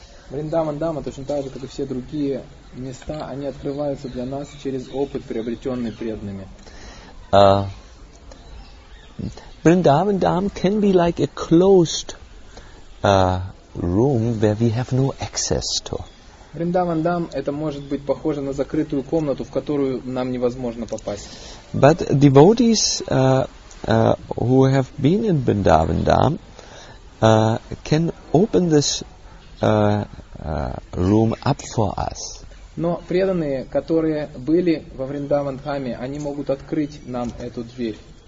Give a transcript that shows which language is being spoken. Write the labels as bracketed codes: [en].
[ru] Vrindavan Dham, точно так же, как и все другие места, они открываются для нас через опыт, приобретенный преданными. [en] Vrindavan Dham can be like a closed room where we have no access to. [ru] Vrindavan Dham, это может быть похоже на закрытую комнату, в которую нам невозможно попасть. [en] But devotees who have been in Vrindavan Dham can open this room up for us. [ru] Но преданные, которые были во Vrindavan Dham, они могут открыть нам эту дверь.